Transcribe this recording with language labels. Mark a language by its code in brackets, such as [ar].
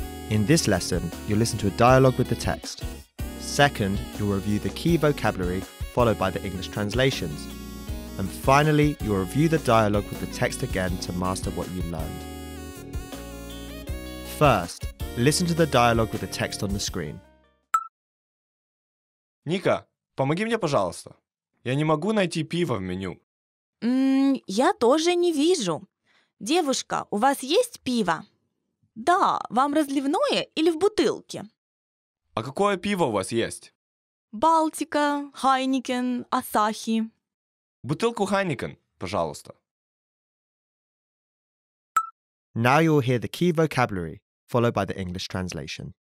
[en] In this lesson, you'll listen to a dialogue with the text. Second, you'll review the key vocabulary followed by the English translations. And finally, you'll review the dialogue with the text again to master what you learned. First, listen to the dialogue with the text on the screen. [ru] Ника, помоги мне, пожалуйста. Я не могу найти пиво в меню. Я тоже не вижу. Девушка, у вас есть пиво? Да, вам разливное или в бутылке? А какое пиво у вас есть? Балтика, Хайникен, Асахи. Бутылку Хайникен, пожалуйста. [en] Now you'll hear the key vocabulary, followed by the English translation.